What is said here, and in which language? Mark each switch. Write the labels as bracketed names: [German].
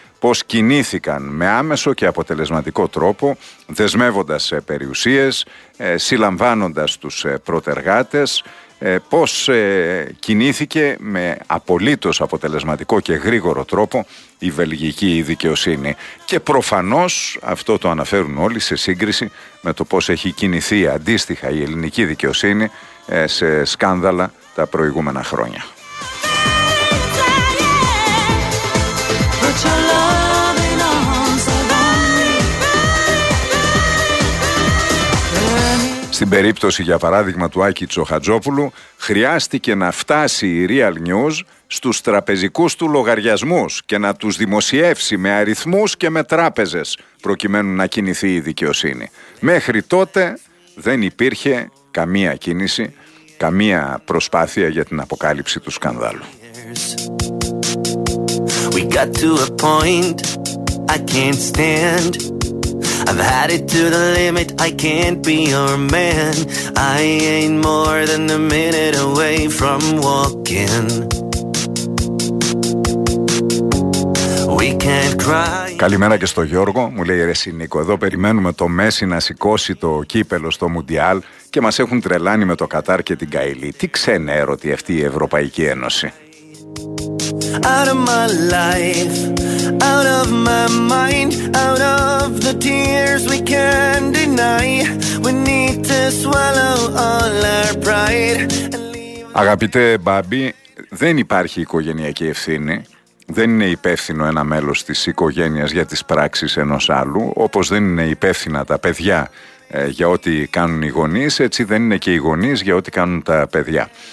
[Greek] Πώς κινήθηκαν με άμεσο και αποτελεσματικό τρόπο, δεσμεύοντας περιουσίες, συλλαμβάνοντας τους πρωτεργάτες, πώς κινήθηκε με απολύτως αποτελεσματικό και γρήγορο τρόπο η βελγική δικαιοσύνη. Και προφανώς αυτό το αναφέρουν όλοι σε σύγκριση με το πώς έχει κινηθεί αντίστοιχα η ελληνική δικαιοσύνη σε σκάνδαλα τα προηγούμενα χρόνια. [English] Burning, burning, burning, burning. [Greek] Στην περίπτωση, για παράδειγμα, του Άκη Τσοχατζόπουλου, χρειάστηκε να φτάσει η Real News στους τραπεζικούς του λογαριασμούς και να τους δημοσιεύσει με αριθμούς και με τράπεζες, προκειμένου να κινηθεί η δικαιοσύνη. Μέχρι τότε δεν υπήρχε καμία κίνηση, καμία προσπάθεια για την αποκάλυψη του σκανδάλου. [English] We got to a point I can't stand. I've had it to the limit, I can't be your man. I ain't more than a minute away from walking. We can't cry. [Greek] Καλημέρα και στο Γιώργο. Μου λέει, ρε Σινίκο, εδώ περιμένουμε το Μέση να σηκώσει το κύπελο στο Μουντιάλ και μας έχουν τρελάνει με το Κατάρ και την Καϊλή. Τι ξένα έρωτη αυτή η Ευρωπαϊκή Ένωση. [English] Out of my life, out of my mind, out of the tears we can deny. We need to swallow all our pride. [Greek] Αγαπητέ Μπάμπη, δεν υπάρχει οικογενειακή ευθύνη. Δεν είναι υπεύθυνο ένα μέλος της οικογένειας για τις πράξεις ενός άλλου, όπως δεν είναι υπεύθυνα τα παιδιά για ό,τι κάνουν οι γονείς, έτσι δεν είναι και οι γονείς για ό,τι κάνουν τα παιδιά.